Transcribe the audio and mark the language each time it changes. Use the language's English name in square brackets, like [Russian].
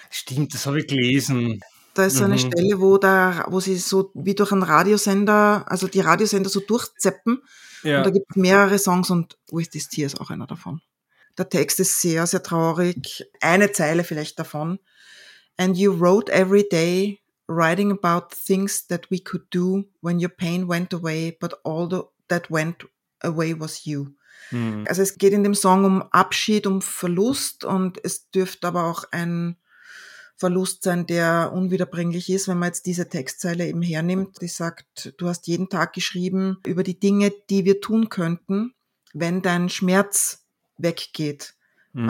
[German] Stimmt, das habe ich gelesen. Da ist so eine Stelle, wo, da, wo sie so wie durch einen Radiosender, also die Radiosender so durchzeppen. Ja. Und da gibt es mehrere Songs und With This Tear ist auch einer davon. Der Text ist sehr, sehr traurig. Eine Zeile vielleicht davon. [English] And you wrote every day, writing about things that we could do when your pain went away, but all that went away was you. Mhm. [German] Also es geht in dem Song um Abschied, um Verlust und es dürfte aber auch ein Verlust sein, der unwiederbringlich ist, wenn man jetzt diese Textzeile eben hernimmt, die sagt, du hast jeden Tag geschrieben über die Dinge, die wir tun könnten, wenn dein Schmerz weggeht. Mhm.